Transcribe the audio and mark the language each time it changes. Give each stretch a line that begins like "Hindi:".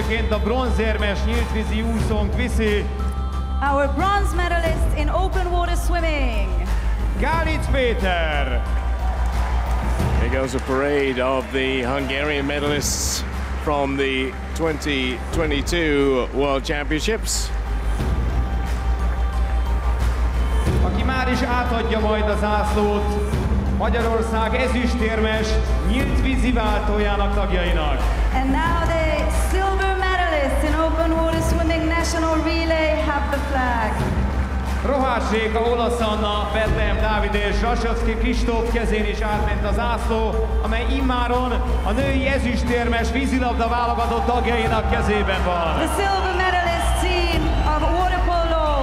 Hungarian: A bronzérmes nyíltvízi úszónk viszi.
English: Our bronze medalist in open water swimming.
Hungarian: Gálic Péter.
English: Here goes a parade of the Hungarian medalists from the 2022 World Championships.
Hungarian: Aki már is átadja majd a zászlót, Magyarország ezüstérmes nyílt vízi váltójának tagjainak.
English: And now the silver medalists in open water swimming national relay have the flag.
Hungarian: Rohás Réka, Olasz Anna, Betlehem Dávid és Rasovszky Kristóf kezén is átment az ászló, amely immáron a női ezüstérmes vízilabda válogatott tagjainak kezében van.
English: The silver medalist team of water polo.